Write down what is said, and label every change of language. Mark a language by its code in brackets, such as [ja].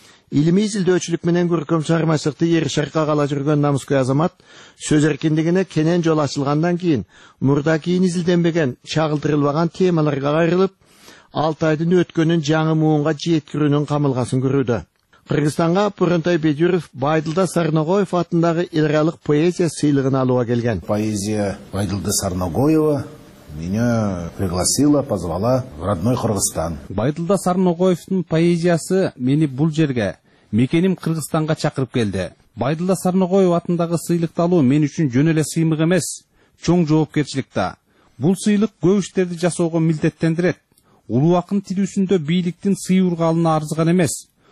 [ky] Илимий изилдөөчүлүк менен көркөм чыгармачылыкты ер шарыкка кала жүргөн намыскөй азамат сөз эркиндигине кенен жол ачылгандан кийин мурда кийин изилденбеген, чагылдырылбаган темаларга кайрылып, Алтайдын өткөнүн жаңы муунга жеткирүүнүн камылгасын көрүүдө. Кыргызстанга Пурунтай Бедюров Байдылда Сарногоев атындагы Илгалык поэзия сыйлыгын алууга келген. [ru] Поэзия Байдылда Сарногоева меня пригласила, позвала в родной Кыргызстан. [ky] Байдылда Сарногоевтун поэзиясы мени бул жерге, мекеним Кыргызстанга чакырып келди. Байдылда Сарногоев атындагы сыйлыкты алуу мен үчүн жөн эле сыймык эмес, чоң жоопкерчилик да. Бул сыйлык көбүштөрдү жасоого милдеттендирет. Улуу акын тилүүсүндө бийликтин сыйурганына арзыган эмес.